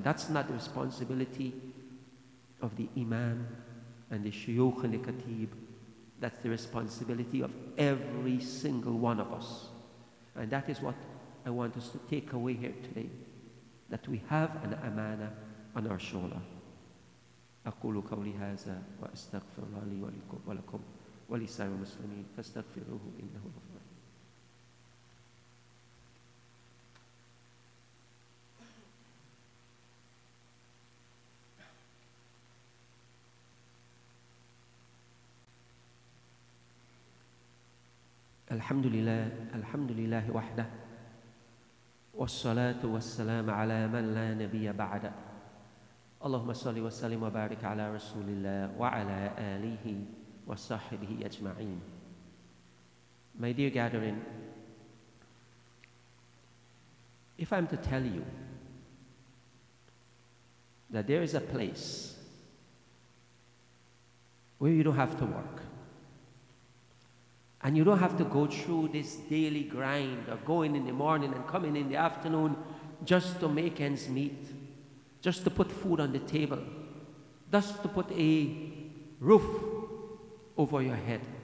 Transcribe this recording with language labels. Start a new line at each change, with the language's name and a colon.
English: And that's not the responsibility of the imam and the shuyukh and the khatib. That's the responsibility of every single one of us. And that is what I want us to take away here today, that we have an amana on our shoulder.
Arabic: أقول قولي هذا وأستغفر الله لي ولكم ولسائر المسلمين فاستغفروه إنه غفور. الحمد لله الحمد لله وحده والصلاة والسلام على من لا نبي بعده اللهم صل وسلم وبارك على رسول الله وعلى آله وصحبه أجمعين.
English: My dear gathering, if I'm to tell you that there is a place where you don't have to work and you don't have to go through this daily grind of going in the morning and coming in the afternoon just to make ends meet, just to put food on the table, just to put a roof over your head.